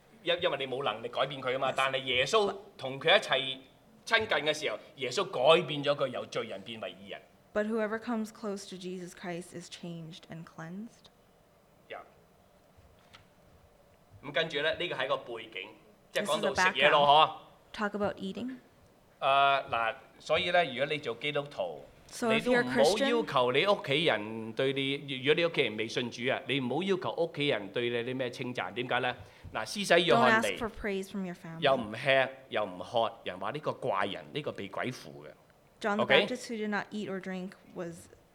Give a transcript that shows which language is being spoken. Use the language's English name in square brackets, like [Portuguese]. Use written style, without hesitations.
[Cantonese] 因为你冇能力改变佢啊嘛，但系耶稣同佢一齐親近嘅時候，耶穌改變咗佢由罪人變為義人。 [English] But whoever comes close to Jesus Christ is changed and cleansed. Yeah. [Cantonese] 咁跟住咧，呢個係一個背景，即係講到食嘢咯， [English] 嗬。Talk about eating. [Cantonese] 嗱，所以咧，如果你做基督徒。 [English] So、 [Cantonese] 你都唔好要求你屋企人對你，如果你屋企人未信主啊，你唔好要求屋企人對你啲咩稱讚，點解咧？嗱，施洗約翰嚟，又唔吃又唔喝，人話呢個怪人，呢、這個被鬼附嘅。 [English] John the Baptist who did not eat or drink was.